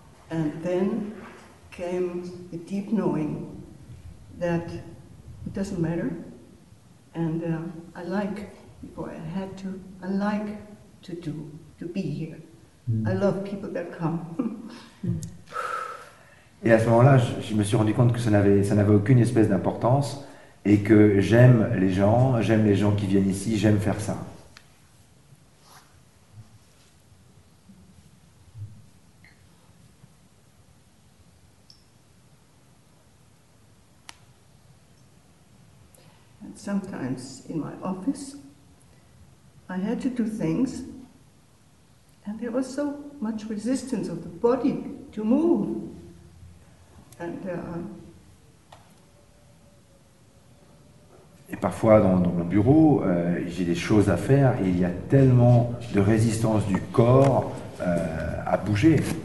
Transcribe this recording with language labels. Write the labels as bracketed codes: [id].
[en] And then came the deep knowing that it doesn't matter, and I like to be here. Mm. I love people that come. [fr] Et à ce moment-là, je me suis rendu compte que ça n'avait aucune espèce d'importance, et que j'aime les gens qui viennent ici, j'aime faire ça. [en] Sometimes in my office, I had to do things, and there was so much resistance of the body to move. And [fr] et parfois dans mon bureau, j'ai des choses à faire, et il y a tellement de résistance du corps à bouger.